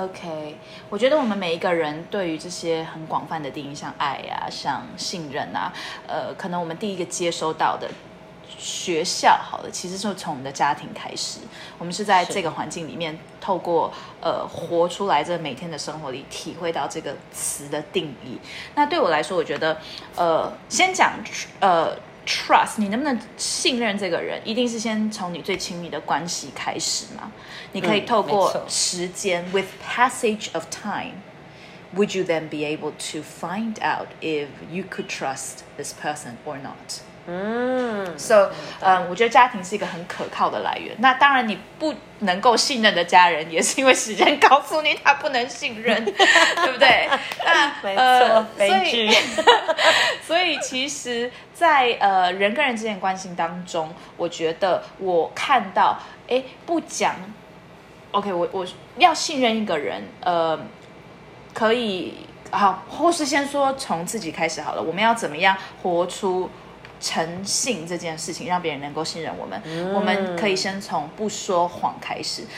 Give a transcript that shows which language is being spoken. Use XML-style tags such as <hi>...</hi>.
<zh>Okay， 我觉得我们每一个人对于这些很广泛的定义，像爱啊，像信任啊，可能我们第一个接收到的学校好了，其实就从我们的家庭开始，我们是在这个环境里面透过活出来这每天的生活里体会到这个词的定义。那对我来说，我觉得先讲trust， 你能不能信任这个人，一定是先从你最亲密的关系开始嘛。你可以透过时间</zh> <en>with passage of time would you then be able to find out if you could trust this person or not。</en> <zh>So 我觉得家庭是一个很可靠的来源，那当然你不能够信任的家人也是因为时间告诉你他不能信任对不对？没错，悲剧。所以其实在人跟人之间关系当中，我觉得我看到不讲 OK， 我要信任一个人可以好，或是先说从自己开始好了，我们要怎么样活出诚信这件事情，让别人能够信任我们，我们可以先从不说谎开始。</zh>